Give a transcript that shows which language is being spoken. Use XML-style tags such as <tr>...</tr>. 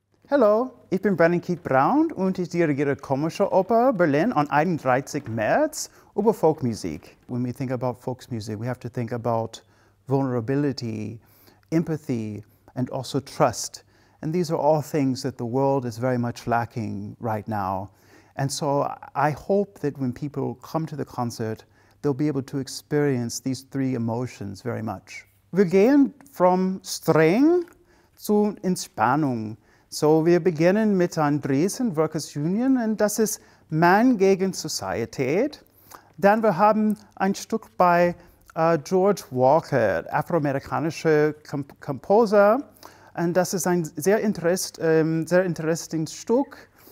<de>Hallo, ich bin Brennan Keith Brown und ich dirigiere Komische Oper Berlin am 31. März über Volksmusik.</de> <en>When we think about Volksmusik, we have to think about vulnerability, empathy and also trust. And these are all things that the world is very much lacking right now. And so I hope that when people come to the concert, they'll be able to experience these three emotions very much.</en> <de>Wir gehen from streng zu Entspannung. So wir beginnen mit Andriessen Workers Union, und das ist Man gegen Sozietät. Dann wir haben ein Stück bei George Walker, afroamerikanischer Komposer, und das ist ein sehr interessantes Stück.</de>